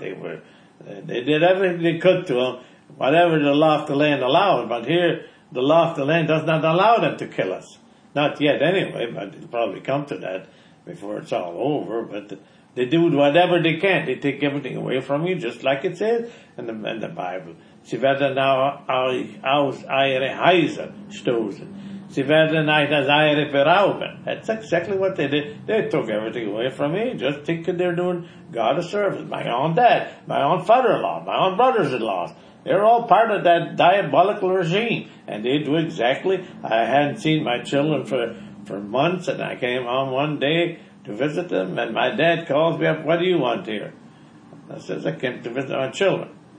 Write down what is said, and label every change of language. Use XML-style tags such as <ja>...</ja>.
<en>They did everything they could to them, whatever the law of the land allowed. But here, the law of the land does not allow them to kill us. Not yet anyway, but it'll probably come to that before it's all over. But they do whatever they can. They take everything away from you, just like it says in the Bible.</en> <de>Sie werden now aus eure Häuser stoßen. Sie werden euch das eure berauben.</de> <en>That's exactly what they did. They took everything away from me, just thinking they're doing God a service. My own dad, my own father-in-law, my own brothers-in-law. They're all part of that diabolical regime. And they do exactly. I hadn't seen my children for months, and I came home one day to visit them, and my dad calls me up, what do you want here? I says, I came to visit my children.</en>